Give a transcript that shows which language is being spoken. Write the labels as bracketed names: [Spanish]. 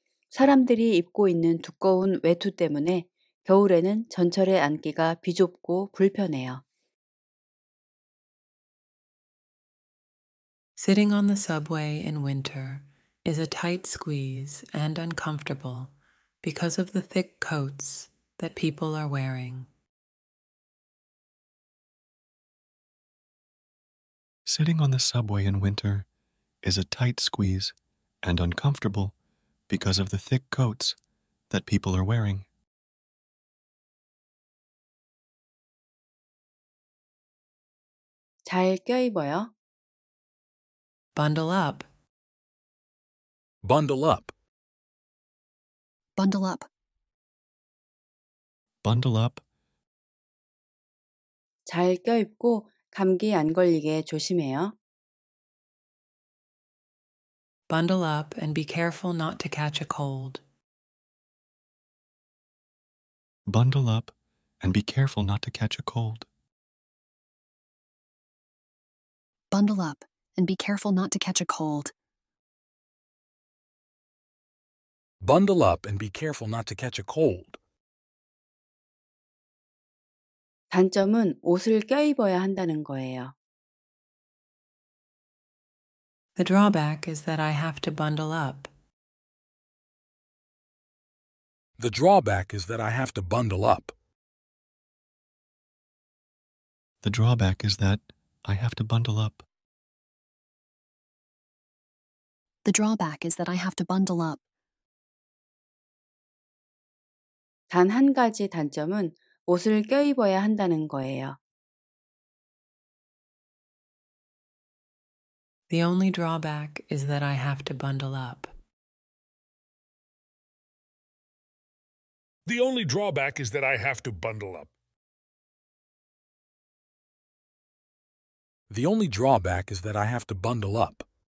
[Korean] 사람들이 입고 있는 두꺼운 외투 때문에 겨울에는 전철에 앉기가 비좁고 불편해요. [English] Sitting on the subway in winter is a tight squeeze and uncomfortable. Because of the thick coats that people are wearing. Sitting on the subway in winter is a tight squeeze and uncomfortable because of the thick coats that people are wearing. [Korean] 잘 껴입어요. [English] Bundle up. Bundle up. Bundle up. Bundle up. [Korean] 잘 껴입고 감기 안 걸리게 조심해요. [English] Bundle up and be careful not to catch a cold. Bundle up and be careful not to catch a cold. Bundle up and be careful not to catch a cold. Bundle up and be careful not to catch a cold. [Korean] 단점은 옷을 껴입어야 한다는 거예요. [English] The drawback is that I have to bundle up. The drawback is that I have to bundle up. The drawback is that I have to bundle up. The drawback is that I have to bundle up. [Korean] 단 한 가지 단점은 옷을 껴입어야 한다는 거예요. [English] The only drawback is that I have to bundle up. The only drawback is that I have to bundle up. The only drawback is that I have to bundle up.